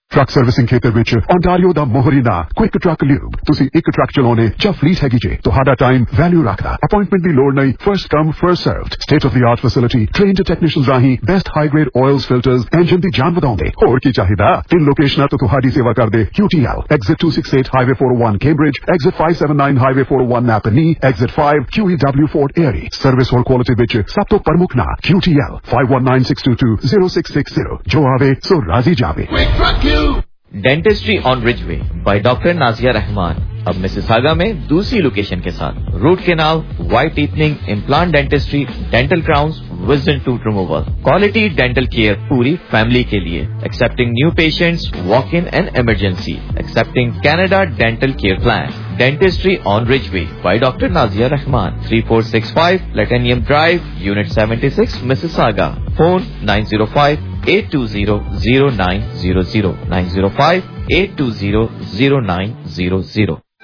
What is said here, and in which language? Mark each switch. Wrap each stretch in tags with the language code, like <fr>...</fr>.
<pa>Truck servicing ਖੇਤਰ ਵਿੱਚ Ontario ਦਾ ਮੋਹਰੀਨਾ quick truck lube ਤੁਸੀਂ ਇੱਕ ਟਰੱਕ ਚਲਾਉਣੇ ਜਾਂ ਫਲੀਟ ਹੈਗੀ ਜੇ ਤੁਹਾਡਾ ਟਾਈਮ ਵੈਲਿਊ ਰੱਖਦਾ ਅਪਾਇੰਟਮੈਂਟ ਦੀ ਲੋੜ ਨਹੀਂ</pa> <en>first come first served state of the art</en> <pa>facility trained technicians ਰਾਹੀਂ best high grade IELTS filters engine ਦੀ ਜਾਨ ਵਧਾਉਂਦੇ ਹੋਰ ਕੀ ਚਾਹੀਦਾ ਤਿੰਨ ਲੋਕੇਸ਼ਨਾਂ ਤੋਂ ਤੁਹਾਡੀ ਸੇਵਾ ਕਰਦੇ QTL exit 268 highway 401 ਕੇਂਬ੍ਰਿਜ exit 579 highway 401 ਨਾਪਨੀ exit 5 QEW fort ਏਰੀ ਸਰਵਿਸ ਔਰ ਕੁਆਲਿਟੀ ਵਿੱਚ ਸਭ ਤੋਂ ਪ੍ਰਮੁੱਖ ਨਾਂ QTL 519-622-0660 ਜੋ ਆਵੇ ਸੋ ਰਾਜ਼ੀ ਜਾਵੇ</pa> <en>Dentistry on Ridgeway by Dr. Nazia Rahman.</en> <hi>अब मिसिसागा में दूसरी लोकेशन के साथ root canal white टीथनिंग implant dentistry dental crowns wisdom tooth removal quality dental care पूरी फैमिली के लिए accepting new patients walk in and emergency accepting Canada dental care plan dentistry on Ridgeway by doctor Nazia Rahman 3465 लेटेनियम drive unit 76 Mississauga phone 905-820-0900 905-820-0900</hi>